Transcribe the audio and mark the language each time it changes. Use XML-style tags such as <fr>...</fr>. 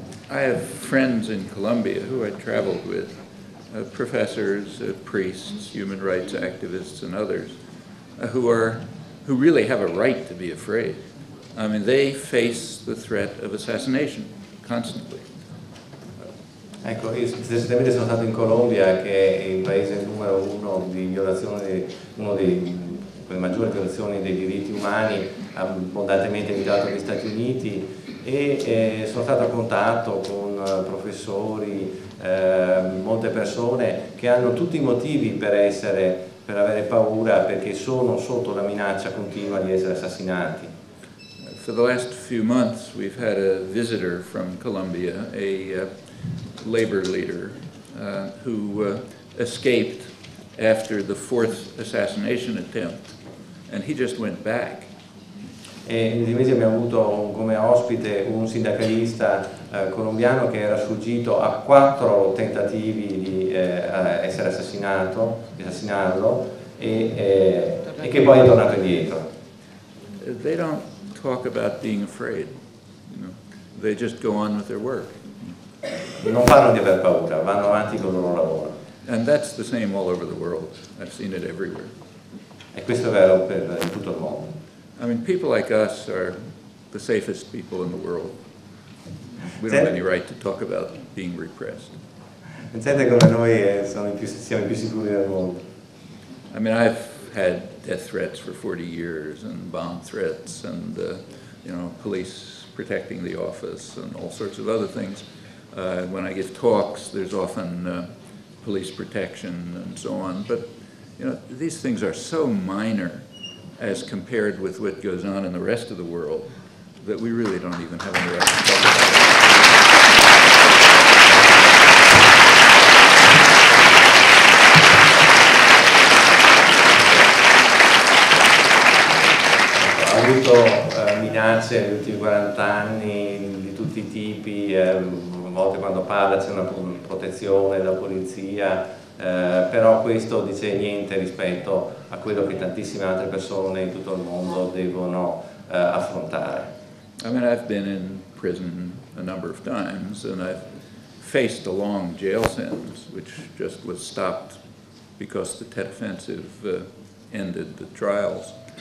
<en>I have friends in Colombia who I traveled with, professors, priests, human rights activists, and others, who really have a right to be afraid. I mean, they face the threat of assassination constantly.</en> <it>Ecco, recentemente sono stato in Colombia, che è il paese numero uno di violazione, uno delle maggiori violazioni dei diritti umani, abbondantemente evitato negli Stati Uniti, e sono stato a contatto con professori, molte persone che hanno tutti i motivi per avere paura, perché sono sotto la minaccia continua di essere assassinati.</it> <en>For the last few months we've had a visitor from Colombia, a labor leader who escaped after the fourth assassination attempt, and he just went back.</en> <it>E negli mesi abbiamo avuto come ospite un sindacalista colombiano che era sfuggito a quattro tentativi di essere assassinato, di assassinarlo, e che poi è tornato indietro.</it> <en>They don't talk about being afraid, you know. They just go on with their work.</en> <it>Non parlano di aver paura, vanno avanti con il loro lavoro.</it> <en>And that's the same all over the world. I've seen it everywhere.</en> <it>E questo è vero in tutto il mondo.</it> <en>I mean, people like us are the safest people in the world. We don't have any right to talk about being repressed.</en> <it>Pensate come noi siamo i più sicuri del mondo.</it> <en>I mean, I've had death threats for 40 years and bomb threats and, you know, police protecting the office and all sorts of other things. When I give talks, there's often police protection and so on. But, you know, these things are so minor as compared with what goes on in the rest of the world, that we really don't even have any right to talk about it.</en> <it>Ho avuto minacce negli ultimi 40 anni di tutti i tipi, a volte quando parla c'è una protezione, la polizia, però questo dice niente rispetto a quello che tantissime altre persone in tutto il mondo devono affrontare.</it> <en>I mean, I've been in prison a number of times and I've faced a long jail sentence which just was stopped because the Tet Offensive ended the trials.</en>